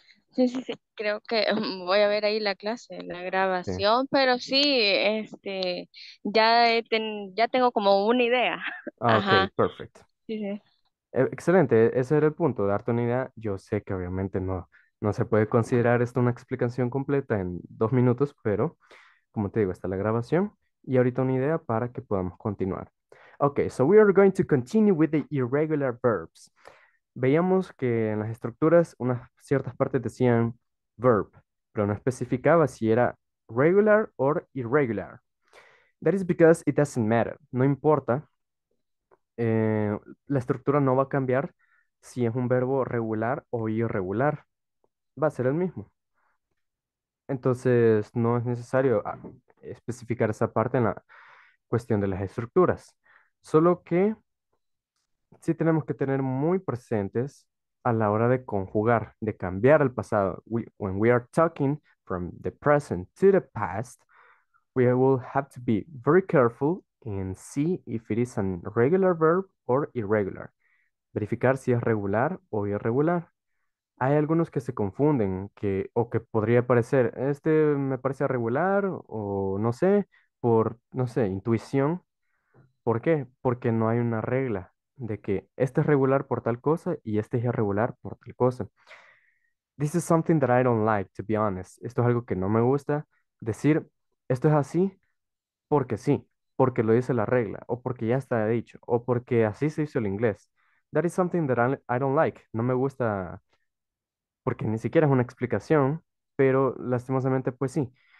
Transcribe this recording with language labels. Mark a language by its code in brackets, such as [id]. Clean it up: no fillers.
[es] Sí, creo que voy a ver ahí la clase, la grabación, pero sí, ya tengo como una idea. Ok, perfecto. Sí. Excelente, ese era el punto, darte una idea. Yo sé que obviamente no se puede considerar esto una explicación completa en 2 minutos, pero como te digo, está la grabación y ahorita una idea para que podamos continuar. [en] Ok, so we are going to continue with the irregular verbs. [es] Veíamos que en las estructuras unas ciertas partes decían verb, pero no especificaba si era regular o irregular. [en] That is because it doesn't matter, [es] no importa. La estructura no va a cambiar si es un verbo regular o irregular. Va a ser el mismo. Entonces, no es necesario especificar esa parte en la cuestión de las estructuras. Solo que sí tenemos que tener muy presentes a la hora de conjugar, de cambiar el pasado. [en] When we are talking from the present to the past, we will have to be very careful and see if it is a regular verb or irregular. [es] Verificar si es regular o irregular. Hay algunos que se confunden que podría parecer, este me parece regular o no sé, por, no sé, intuición. ¿Por qué? Porque no hay una regla de que este es regular por tal cosa y este es irregular por tal cosa. [en] This is something that I don't like, to be honest. [es] Esto es algo que no me gusta decir, esto es así porque sí, porque lo dice la regla, o porque ya está dicho, o porque así se hizo el inglés. [en] That is something that I don't like. [es] No me gusta, porque ni siquiera es una explicación, pero lastimosamente, pues sí.